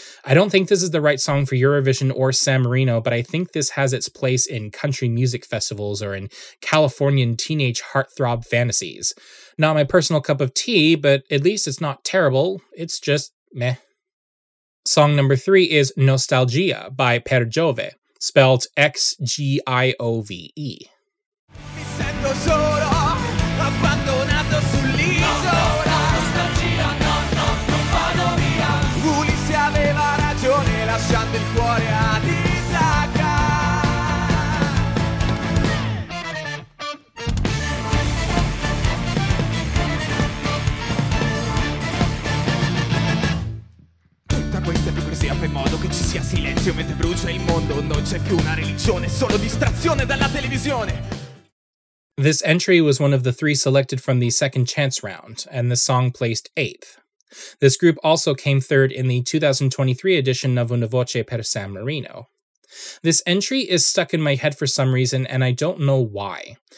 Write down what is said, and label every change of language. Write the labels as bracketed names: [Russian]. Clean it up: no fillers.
[English] I don't think this is the right song for Eurovision or San Marino, but I think this has its place in country music festivals or in Californian teenage heartthrob fantasies. Not my personal cup of tea, but at least it's not terrible. It's just meh. Song number three is Nostalgia by Per Giove, spelled X-G-I-O-V-E. [Italian] Abbandonato sull'isola, nostalgia, no, non vado via. Ulisse aveva ragione, lasciando il cuore a Ithaca. Tutta questa ipocrisia fa in modo che ci sia silenzio mentre brucia il mondo. Non c'è più una religione, solo distrazione dalla televisione. [English] This entry was one of the three selected from the second chance round, and the song placed 8th. This group also came third in the 2023 edition of Una Voce per San Marino. This entry is stuck in my head for some reason, and I don't know why.